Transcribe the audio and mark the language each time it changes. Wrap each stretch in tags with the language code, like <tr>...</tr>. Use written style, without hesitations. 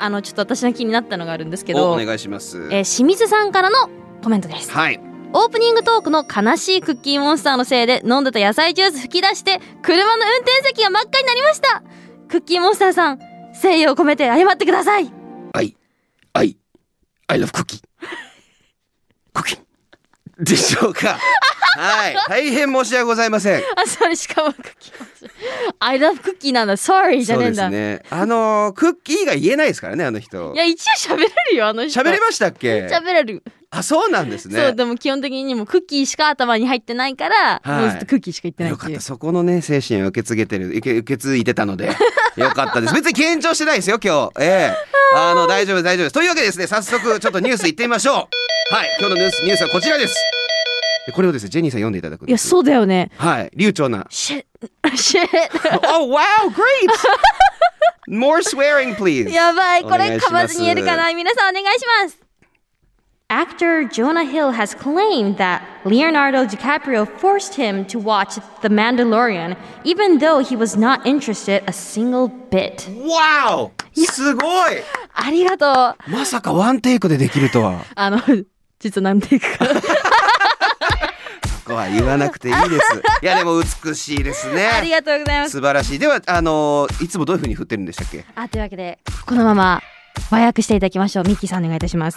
<ja>ちょっと私の気になったのがあるんですけど、お願いします。清水さんからのコメントです。はい。オープニングトークの悲しいクッキーモンスターのせいで飲んでた野菜ジュース吹き出して車の運転席が真っ赤になりました。クッキーモンスターさん、誠意を込めて謝ってください。</ja> <en>I love cookie cookie</en> <ja>でしょうか。はい、大変申し訳ございません。あ、それしかもクッキー</ja> <en>I love cookie</en> <ja>なんだ、</ja> <en>sorry</en> <ja>じゃねえんだ。そうですね、クッキーが言えないですからね、あの人。いや、一応喋れるよ、あの人。喋れましたっけ。喋れる。あ、そうなんですね。そう、でも基本的にもクッキーしか頭に入ってないから、はい、もうずっとクッキーしか言ってないっていう。よかった、そこのね精神を受け継げてる、受け継いでたのでよかったです。別に緊張してないですよ今日。大丈夫大丈夫です。というわけでですね、早速ちょっとニュースいってみましょう。はい、今日のニュースはこちらです。これをですね、ジェニーさん読んでいただくんです。いや、そうだよね。はい、流暢な。シェッ</ja> <en>Oh wow, great! More swearing please!</en> <ja>やばい、これかまずに言えるかな。皆さんお願いします。</ja> <en>Actor Jonah Hill has claimed that Leonardo DiCaprio forced him to watch The Mandalorian, even though he was not interested a single bit. Wow!</en> <ja>すごい！ありがとう。まさかワンテイクでできるとは。実は何テイクか。ここは言わなくていいです。いや、でも美しいですね。ありがとうございます。素晴らしい。では、いつもどういう風に振ってるんでしたっけ？というわけで、このまま。和訳していただきましょう。ミッキーさんお願いいたします。</ja>